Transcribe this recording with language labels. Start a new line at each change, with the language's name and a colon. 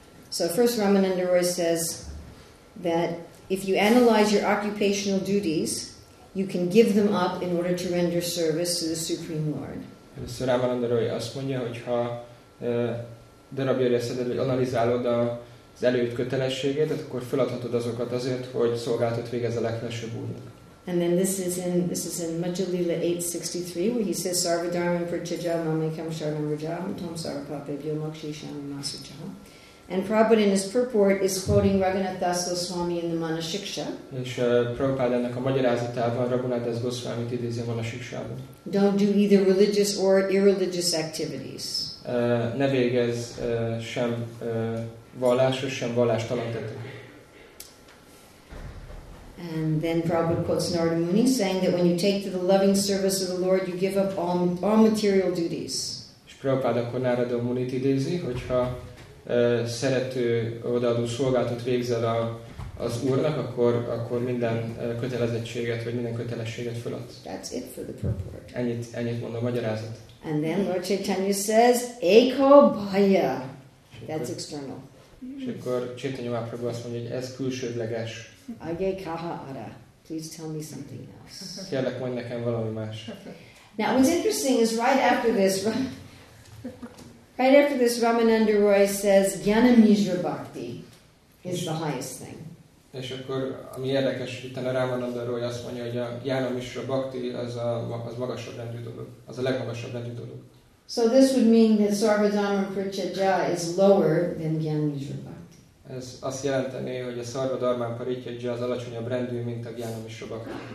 English: So first Ramananda Roy says that if you analyze your occupational duties, you can give them up in order to render service to the Supreme Lord.
Hungarian: Először Ramananda Roy azt mondja, hogyha darabjaira szeded, vagy analizálod az előírt kötelességedet, akkor feladhatod azokat azért, hogy szolgálatot végezz a legfelsőbb úrnak.
English: And then this is in Majjhali Lila 8:63 where he says
Sanskrit: Sarvadharma Pratyaja Mamekam Sharanam Vrajam Tom Sarvapapebhyo Mokshisham Namasucha.
English: And Prabhupada in his purport is quoting Raghunath Das Goswami in the Manashiksha.
Hungarian: És Prabhupada ennek a magyarázatában Raghunath Das Goswamit idézi a Manashikshában.
English: Don't do either religious or irreligious activities.
Hungarian: Ne végezz sem vallásos, sem vallástalan tetteket.
English: And then Prabhupada quotes Narada Muni saying that when you take to the loving service of the Lord, you give up all material duties.
Hungarian: És Prabhupada akkor Narada Munit idézi, hogyha szerető odaadó szolgálatot végzel az Úrnak, akkor minden kötelezettséget vagy minden kötelességet feladsz.
English: That's it for the purport.
Hungarian: Ennyit mond a magyarázat.
English: And then Lord Chaitanya says,
Bangla: Eko Bhaya.
English: That's external.
Hungarian: És akkor Chaitanya Mahaprabhu azt mondja, hogy ez külsődleges.
Bangla: Agye kaha ara.
English: please tell me something else.
Hungarian: Kérlek, mondj nekem valami más.
English: Now, what's interesting is right after this, Ramananda Roy says, Gyanamizra Bhakti is the highest thing.
Hungarian: És akkor, ami érdekes, utána Ramananda Roy azt mondja, hogy a Gyanamizra Bhakti az magasabb rendű dolog, az a legmagasabb rendű dolog.
English: So this would mean that Sarvadharma Parichaya is lower than Gyanamizra Bhakti.
Hungarian: Ez azt jelenteni, hogy a Sarvadharma Parichaya az alacsonyabb rendű, mint a Gyanamizra Bhakti.